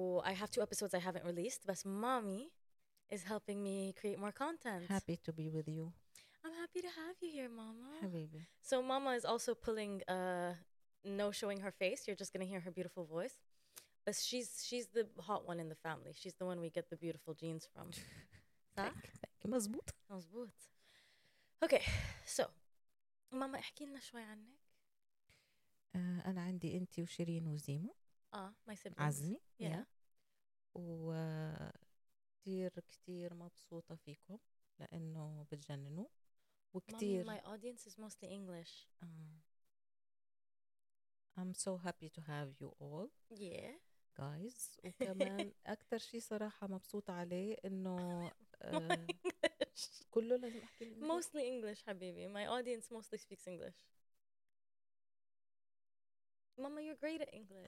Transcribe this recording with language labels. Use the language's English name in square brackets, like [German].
[English] I have two episodes I haven't released, but mommy is helping me create more content. Happy to be with you. I'm happy to have you here, mama. [Arabic] Habibi. [English] So mama is also pulling, no showing her face. You're just going to hear her beautiful voice. But she's the hot one in the family. She's the one we get the beautiful genes from. Thank you. [Arabic] مزبوط. مزبوط. [English] Okay, so [Arabic] ماما احكي لنا شوي عنك. أنا عندي أنتي وشيرين وزيمو. [English] My siblings. [Arabic] عزمي. [English] Yeah. [Arabic] وكتير كتير مبسوطة فيكم لأنه بتجننوا. وكتير. [English] Mommy, my audience is mostly English. I'm so happy to have you all. Yeah. [Arabic] guys وكمان اكثر شيء صراحه مبسوط عليه انه كله لازم احكي [English] English. mostly English حبيبي my audience mostly speaks English mama you're great at English